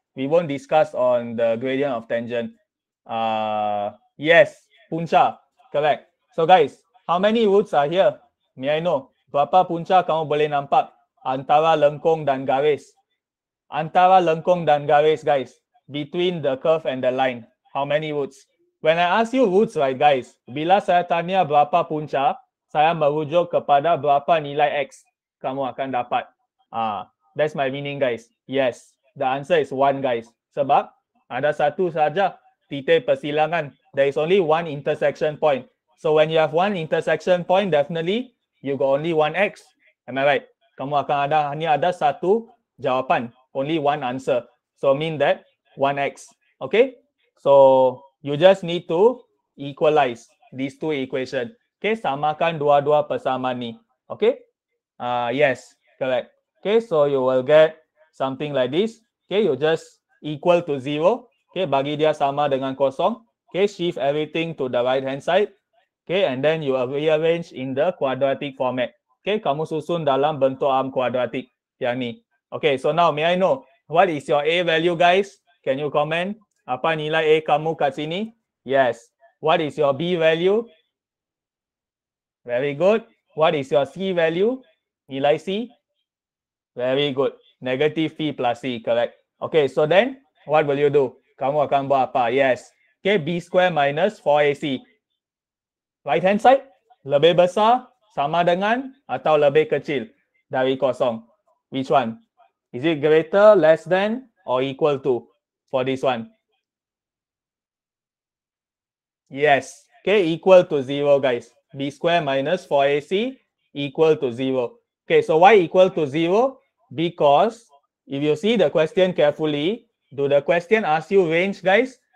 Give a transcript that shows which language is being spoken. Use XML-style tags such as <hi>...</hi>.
<en>We won't discuss on the gradient of tangent. Yes, punca, correct. So guys, how many roots are here? May I know?</en> <ms>Berapa punca kamu boleh nampak antara lengkung dan garis. Antara lengkung dan garis,</ms> <en>guys, between the curve and the line, how many roots? When I ask you roots, right, guys,</en> <ms>bila saya tanya berapa punca, saya merujuk kepada berapa nilai x kamu akan dapat.</ms> <en>That's my meaning, guys. Yes, the answer is one, guys.</en> <ms>Sebab ada satu saja titik persilangan.</ms> <en>There is only one intersection point. So when you have one intersection point, definitely you got only one x. Am I right?</en> <ms>Kamu akan ada hanya ada satu jawapan.</ms> <en>Only one answer. So mean that one x. Okay. So you just need to equalize these two equation.</en> <ms>Okay, samakan dua-dua persamaan ni. Okay.</ms> <en>Yes, correct. Okay, so you will get something like this. Okay, you just equal to zero.</en> <ms>Okay, bagi dia sama dengan kosong.</ms> <en>Okay, shift everything to the right hand side. Okay, and then you rearrange in the quadratic format.</en> <ms>Okay, kamu susun dalam bentuk arm quadratic yang ni.</ms> <en>Okay, so now may I know what is your A value, guys? Can you comment?</en> <ms>Apa nilai A kamu kat sini?</ms> <en>Yes. What is your B value? Very good. What is your C value?</en> <ms>Nilai C?</ms> <en>Very good. Negative P plus C, correct. Okay, so then what will you do?</en> <ms>Kamu akan buat apa?</ms> <en>Yes. Okay, B square minus 4AC. Right hand side?</en> <ms>Lebih besar sama dengan atau lebih kecil dari kosong?</ms> <en>Which one? Is it greater, less than or equal to for this one? Yes. Okay, equal to zero, guys. B square minus 4AC equal to zero. Okay, so why equal to zero? Because if you see the question carefully, do the question ask you range, guys?</en>